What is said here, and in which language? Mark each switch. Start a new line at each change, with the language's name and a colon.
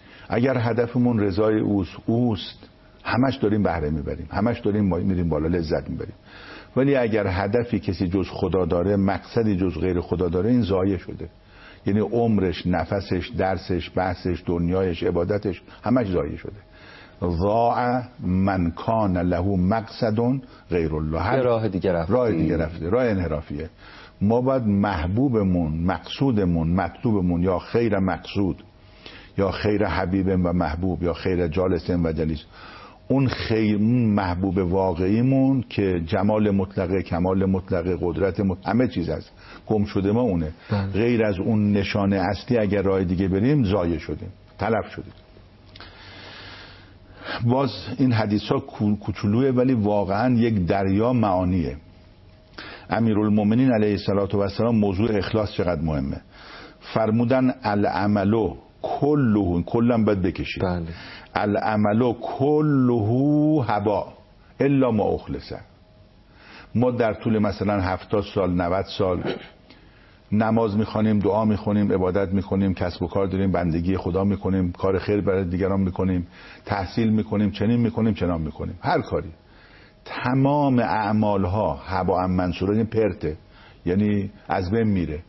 Persian: اگر هدفمون رضای اوست همش داریم بهره میبریم، همش داریم میریم بالا لذت میبریم. ولی اگر هدفی کسی جز خدا داره، مقصدی جز غیر خدا داره، این ضایع شده. یعنی عمرش، نفسش، درسش، بحثش، دنیایش، عبادتش، همش ضایع شده.
Arabic: ضاع من کان له مقصد غیر الله.
Persian: راه دیگه رفته، راه انحرافیه. ما باید محبوبمون، مقصودمون، مطلوبمون، یا خیر مقصود، یا خیر حبیبم و محبوب، یا خیر جالسم و جلیس، اون خیر، اون محبوب واقعیمون که جمال مطلقه، کمال مطلقه، قدرت مطلقه، همه چیز هست، گم شده ما اونه. بله. غیر از اون نشانه اصلی اگر راه دیگه بریم، ضایع شدیم، تلف شدیم. باز این حدیث ها کوچولوئه، ولی واقعا یک دریا معانیه. امیرالمومنین علیه الصلاه و السلام موضوع اخلاص چقدر مهمه، فرمودن
Arabic: العملو کلهو،
Persian: کلم باید بکشید. بله.
Arabic: العملو کلهو هبا الا ما اخلصه.
Persian: ما در طول مثلا 70 سال، 90 سال نماز میخوانیم، دعا میخوانیم، عبادت میخوانیم، کسب و کار داریم، بندگی خدا میکنیم، کار خیر برای دیگران میکنیم، تحصیل میکنیم، چنین میکنیم، چنان میکنیم، هر کاری، تمام اعمالها هبا منصوره، یعنی پرته، یعنی از بین میره،